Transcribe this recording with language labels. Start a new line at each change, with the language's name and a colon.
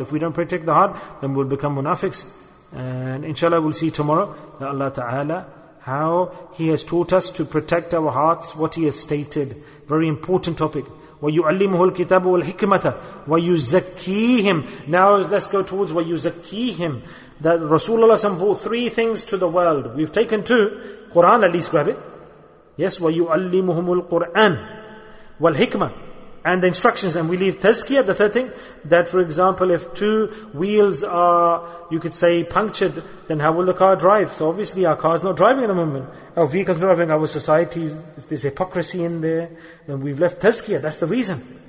English: If we don't protect the heart, then we'll become munafiqs. And inshallah, we'll see tomorrow that Allah Ta'ala, how he has taught us to protect our hearts, what he has stated. Very important topic.
Arabic: وَيُعَلِّمُهُ الْكِتَابُ وَالْحِكْمَةَ وَيُزَكِّيهِمْ.
English: Now let's go towards
Arabic: وَيُزَكِّيهِمْ.
English: That Rasulullah brought three things to the world. We've taken two. Quran, at least grab it. Yes,
Arabic: وَيُعَلِّمُهُمُ الْقُرْآنِ وَالْحِكْمَةِ.
English: And the instructions, and we leave tazkiyah, the third thing, that for example, if two wheels are, you could say, punctured, then how will the car drive? So obviously our car's not driving at the moment. Our vehicle's not driving, our society, if there's hypocrisy in there, then we've left tazkiyah. That's the reason.